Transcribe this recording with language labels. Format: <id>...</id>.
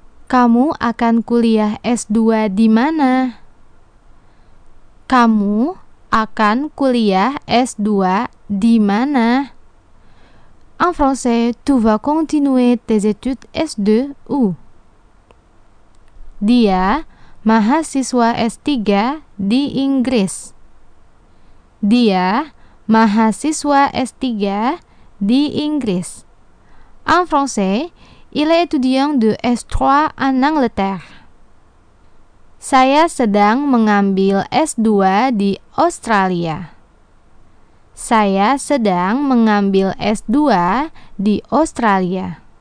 <id>Kamu akan kuliah S2 di mana? Kamu akan kuliah S2 di mana?</id> <fr>En français, tu vas continuer tes études S2 où?</fr> <id>Dia mahasiswa S3 di Inggris. Dia mahasiswa S3 dit Inggris.</id> <fr>En français, il est étudiant de S3 en Angleterre.</fr> <id>Saya sedang mengambil S2 di Australia. Saya sedang mengambil S2 di Australia.</id>